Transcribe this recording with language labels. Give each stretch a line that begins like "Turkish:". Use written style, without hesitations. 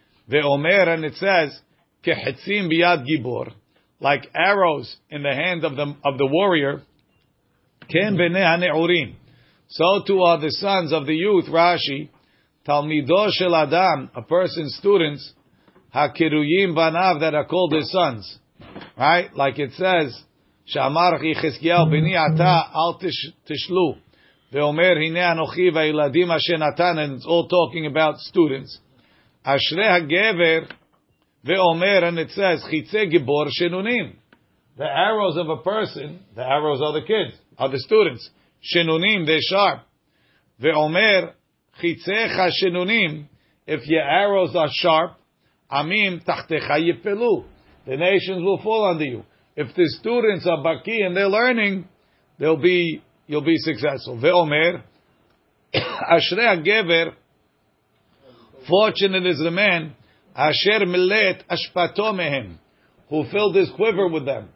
English: Ve'omer, and it says,
Hebrew: kehetzim biyad gibor,
English: like arrows in the hand of the warrior,
Hebrew: ken v'ne ha'ne'urim.
English: So too are the sons of the youth, Rashi,
Hebrew: talmido shel adam,
English: a person's students,
Hebrew: ha'kiruyim banav,
English: that are called his sons. Right?
Hebrew: Like it says, שאמר כי חזקיהו בני אתה אל תשלו ואומר הנה אנוכי והילדים אשר נתן,
English: and it's all talking about students,
Hebrew: אשרי הגבר ואומר,
English: and it says
Hebrew: חיצי גיבור שנונים.
English: The arrows of a person, the arrows are the kids, are the students. שנונים, they're sharp.
Hebrew: ואומר חיציך שנונים,
English: if your arrows are sharp,
Hebrew: עמים תחתיך יפלו,
English: the nations will fall under you. If the students are baki and they're learning, you'll be successful. Ve'omer,
Hebrew: Ashrei ha'gever,
English: fortunate is the man,
Hebrew: Asher milet ashpato mehem,
English: who filled his quiver with them.